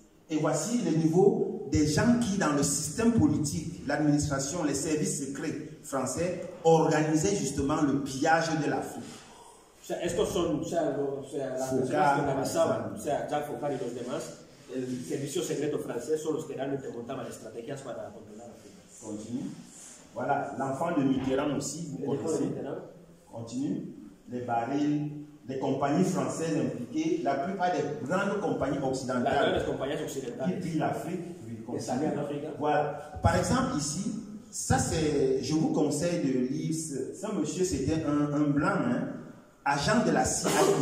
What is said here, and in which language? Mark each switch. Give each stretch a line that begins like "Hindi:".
French: Et voici le niveau des gens qui, dans le système politique, l'administration, les services secrets français, organisaient justement le pillage de l'Afrique.
Spanish: O sea, estos son, o sea, las personas que organizaban, o sea, Jacques Foucault y los demás, el servicio secreto francés, son los que realmente montaban estrategias para controlar
French: l'Afrique. Continue. Voilà, l'enfant de Mitterrand aussi, vous connaissez. Continue. Les barils. Les compagnies françaises impliquées, la plupart des grandes compagnies occidentales, qui pillent l'Afrique, voilà. Par exemple ici, ça c'est, je vous conseille de lire ce monsieur, c'était un blanc, hein, agent de la CIA.